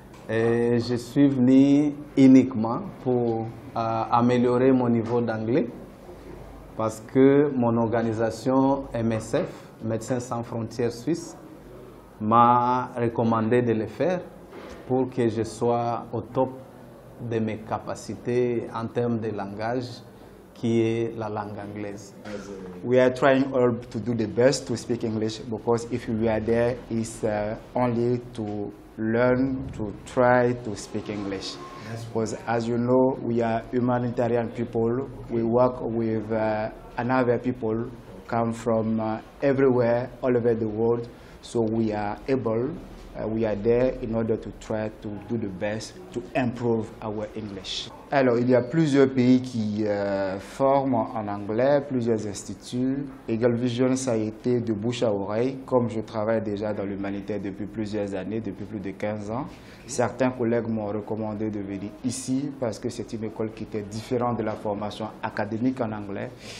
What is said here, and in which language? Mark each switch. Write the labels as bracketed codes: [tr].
[fr] Et je suis venu uniquement pour améliorer mon niveau d'anglais parce que mon organisation MSF, Médecins Sans Frontières Suisse, m'a recommandé de le faire pour que je sois au top de mes capacités en termes de langage qui est la langue anglaise. [en] We are trying all to do the best to speak English because if we are there, it's only to learn to try to speak English. Because as you know, we are humanitarian people. We work with another people come from everywhere, all over the world. So we are able, we are there in order to try to do the best to improve our English. [fr] Alors, il y a plusieurs pays qui forment en anglais, plusieurs instituts. Eagle Vision, ça a été de bouche à oreille, comme je travaille déjà dans l'humanitaire depuis plusieurs années, depuis plus de 15 ans. Certains collègues m'ont recommandé de venir ici parce que c'est une école qui était différente de la formation académique en anglais.